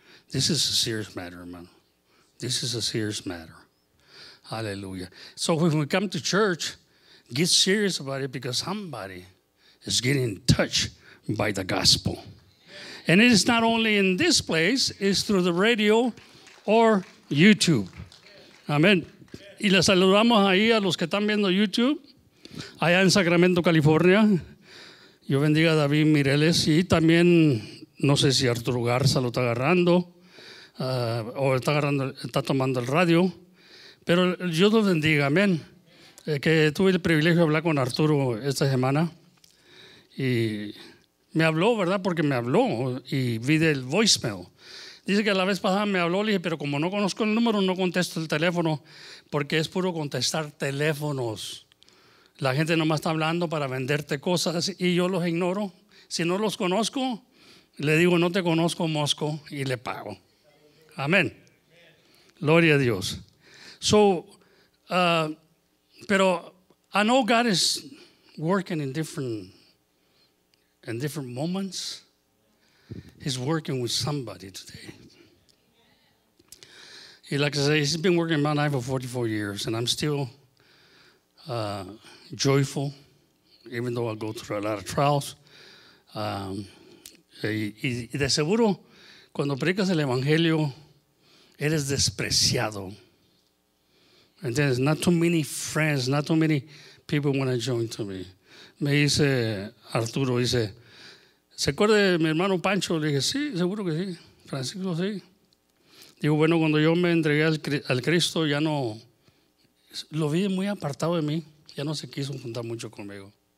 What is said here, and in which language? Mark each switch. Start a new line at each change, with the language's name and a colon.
English: This is a serious matter, man. This is a serious matter. Hallelujah. So when we come to church, get serious about it because somebody is getting touched by the gospel. And it is not only in this place, it's through the radio or YouTube. Amen.
Spanish: Y le saludamos ahí a los que están viendo YouTube, allá en Sacramento, California. Yo bendiga a David Mireles y también, no sé si Arturo Garza lo está agarrando o está tomando el radio. Pero yo los bendiga, amén. Que tuve el privilegio de hablar con Arturo esta semana. Y me habló, ¿verdad? Porque me habló y vi del voicemail. Dice que la vez pasada me habló, le dije, pero como no conozco el número, no contesto el teléfono, porque es puro contestar teléfonos. La gente nomás está hablando para venderte cosas y yo los ignoro. Si no los conozco, le digo, no te conozco, Mosco, y le pago. Amén. Gloria a Dios.
English: So, pero I know God is working in different moments. He's working with somebody today. He, like I say, he's been working in my life for 44 years, and I'm still joyful, even though I go through a lot of trials.
Spanish: Y de seguro, cuando predicas el Evangelio, eres despreciado.
English: And there's not too many friends, not too many people want to join to me.
Spanish: Me dice Arturo, dice, ¿se acuerda de mi hermano Pancho? Le dije, sí, seguro que sí. Francisco, sí. Digo, bueno, cuando yo me entregué al Cristo, ya no, lo vi muy apartado de mí. Ya no se quiso juntar mucho conmigo.